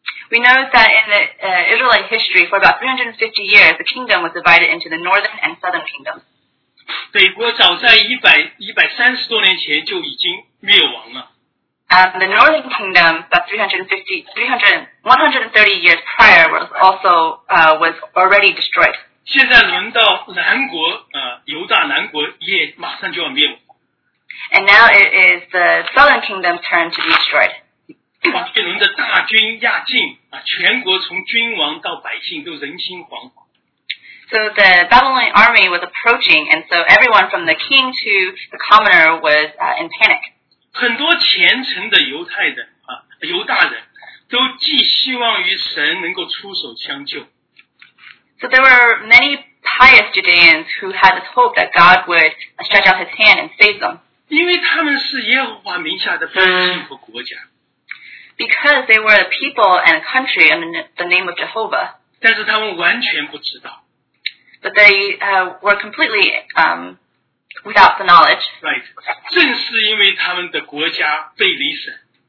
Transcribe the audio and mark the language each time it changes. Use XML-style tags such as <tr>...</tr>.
<en>We know that in the Israelite history, for about 350 years, the kingdom was divided into the northern and southern kingdoms.</en> <zh>北国早在130多年前就已经灭亡了。</zh> <en>The Northern Kingdom, about 130 years prior, was also was already destroyed.</en> <zh>现在轮到南国，犹大南国。上就要灭亡。</zh> <en>And now it is the southern kingdom's turn to be destroyed.</en> <zh>巴比伦的大军压境，全国从君王到百姓都人心惶惶。</zh> <en>So the Babylonian army was approaching, and so everyone from the king to the commoner was in panic.</en> <zh>很多虔诚的犹太人啊，犹大人都寄希望于神能够出手相救。</zh> <en>So there were many pious Judeans who had this hope that God would stretch out His hand and save them.</en> <zh>因为他们是耶和华名下的百姓和国家。</zh> <en>Because they were a people and a country under the name of Jehovah.</en> <zh>但是他们完全不知道。</zh> <en>But they were completely without the knowledge. Right.</en> <zh>正是因为他们的国家背离神。</zh>